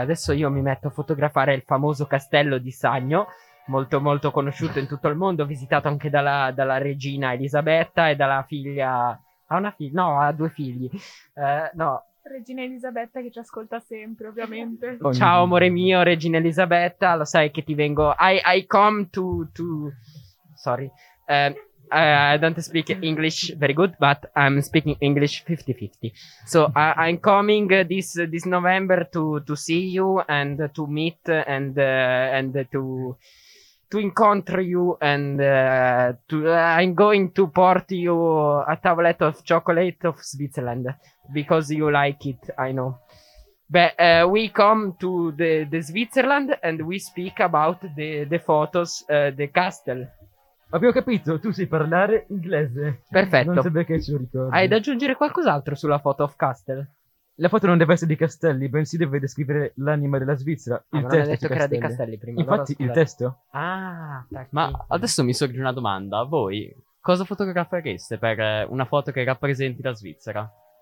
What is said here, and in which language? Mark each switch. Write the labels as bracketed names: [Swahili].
[Italian] Adesso io mi metto a fotografare il famoso castello di Sannio, molto molto conosciuto in tutto il mondo, visitato anche dalla regina Elisabetta e dalla figlia... Ha due figli. Regina Elisabetta che ci ascolta sempre, ovviamente. Ciao amore mio, regina Elisabetta, lo sai che ti vengo... [English] I come to... Sorry. I don't speak English very good, but I'm speaking English 50-50. So I'm coming this November to see you and to meet and to encounter you and I'm going to pour you a tablet of chocolate of Switzerland because you like it, I know. But we come to the Switzerland and we speak about the photos, the castle. [Italian] Abbiamo capito, tu sai parlare inglese. Perfetto. Non so perché ce lo ricordi. Hai da aggiungere qualcos'altro sulla foto of castle? La foto non deve essere di castelli, bensì deve descrivere l'anima della Svizzera. Il testo. Non hai detto che era dei castelli prima. Infatti, il testo. Ah, ma adesso mi sorge una domanda. Voi cosa fotografereste per una foto che rappresenti la Svizzera?